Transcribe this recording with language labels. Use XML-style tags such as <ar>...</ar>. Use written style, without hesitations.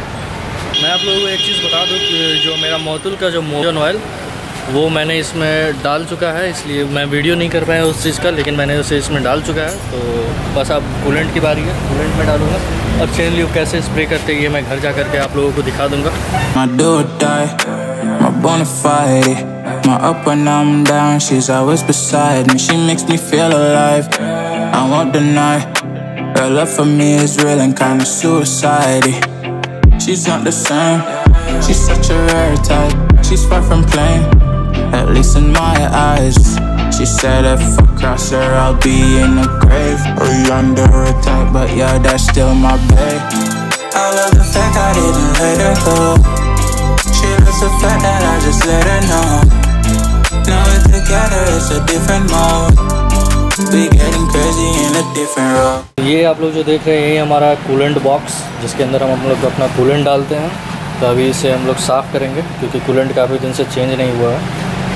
<hi>मैं आप लोगों को एक चीज़ बता दूँ कि जो मेरा मोतुल का जो मोजन ऑयल वो मैंने इसमें डाल चुका है, इसलिए मैं वीडियो नहीं कर पाया उस चीज़ का, लेकिन मैंने उसे इसमें डाल चुका है। तो बस अब कूलेंट की बारी है, कूलेंट में डालूंगा और चेन ल्यूब कैसे स्प्रे करते हैं ये मैं घर जा कर के आप लोगों को दिखा दूंगा।</hi> <en>My up and I'm down, she's always beside me. She makes me feel alive, I won't deny. Her love for me is real and kind of suicide-y. She's not the same, she's such a rare type. She's far from plain, at least in my eyes. She said if I cross her, I'll be in a grave. Are you under attack? But yeah, that's still my babe. I love the fact I didn't let her go. She loves the fact that I just let her know. Now we're together, it's a different mode.</en> <hi>ये आप लोग जो देख रहे हैं ये हमारा coolant box जिसके अंदर हम लोग अपना कूलेंट डालते हैं। तो अभी इसे हम लोग साफ़ करेंगे क्योंकि कूलेंट काफ़ी दिन से चेंज नहीं हुआ है।</hi>